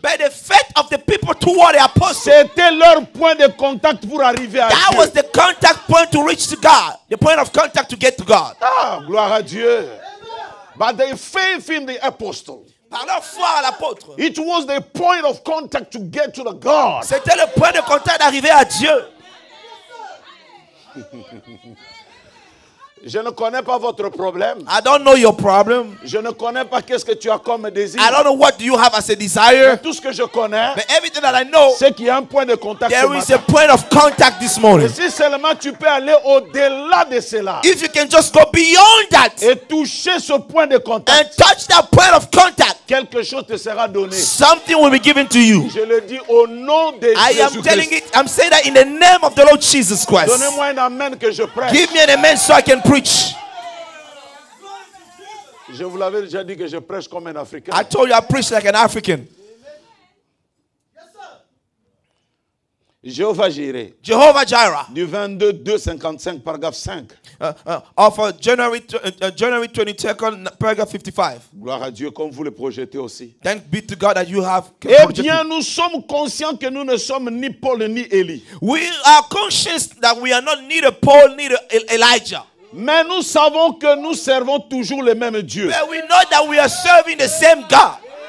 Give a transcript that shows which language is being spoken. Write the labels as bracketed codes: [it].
[en] But the faith of the people toward the apostle. [fr] C'était leur point de contact pour arriver à [en] that [fr] Dieu. [en] That was the contact point to reach to God. The point of contact to get to God. [fr] Ah, gloire à Dieu. [en] But the faith in the apostle. [fr] Par leur foi à l'apôtre. [en] It was the point of contact to get to the God. [fr] C'était le point de contact d'arriver à Dieu. Je ne connais pas votre problème. [en] I don't know your problem. [fr] Je ne connais pas qu'est-ce que tu as comme désir. [en] I don't know what you have as a desire. [fr] Mais tout ce que je connais, [en] but everything that I know, [fr] c'est qu'il y a un point de contact. [en] There is a point of contact this morning. [fr] Et si seulement tu peux aller au-delà de cela. [en] If you can just go beyond that. [fr] Et toucher ce point de contact. [en] And touch that point of contact. [fr] Quelque chose te sera donné. [en] Something will be given to you. [fr] Je le dis au nom de Jésus Christ. [en] I am telling it. I'm saying that in the name of the Lord Jesus Christ. [fr] Donnez-moi un amen que je prêche. [en] Give me an amen so I can preach. [fr] Je vous l'avais déjà dit que je prêche comme un Africain. [en] I told you I preach like an African. Jehovah Jireh. Jehovah Jireh. [fr] Du 22-255, paragraphe 5. [en] January 22nd, paragraph 55. [fr] Gloire à Dieu comme vous le projetez aussi. [en] Thank be to God that you have. [fr] Eh bien, nous sommes conscients que nous ne sommes ni Paul ni Élie. [en] We are conscious that we are not neither Paul nor Elijah. [fr] Mais nous savons que nous servons toujours le même Dieu. [en] But we know that we are serving the same God.